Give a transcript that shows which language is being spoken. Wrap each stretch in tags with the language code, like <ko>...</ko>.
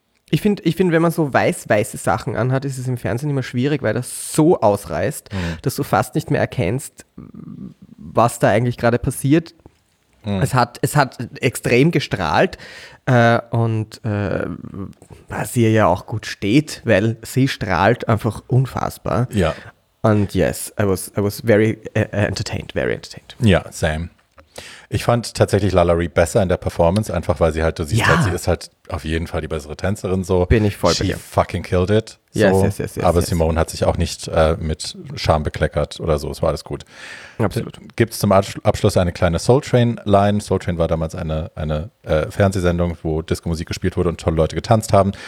<de>Ich finde, wenn man so weiß-weiße Sachen anhat, ist es im Fernsehen immer schwierig, weil das so ausreißt, dass du fast nicht mehr erkennst, was da eigentlich gerade passiert. Mhm. Es hat extrem gestrahlt und was ihr ja auch gut steht, weil sie strahlt einfach unfassbar. Ja.</de> <en>Und yes, I was very entertained, very entertained.</en> <de>Ja, same. Ich fand tatsächlich Lalari besser in der Performance, einfach weil sie halt, du siehst halt, sie ist halt auf jeden Fall die bessere Tänzerin so. Bin ich voll bei dir.</de> <en>She fucking killed it. Yes.</en> <de>Aber Simone hat sich auch nicht mit Scham bekleckert oder so, es war alles gut. Absolut. Gibt es zum Abschluss eine kleine Soul Train Line. Soul Train war damals eine Fernsehsendung, wo Disco-Musik gespielt wurde und tolle Leute getanzt haben.</de>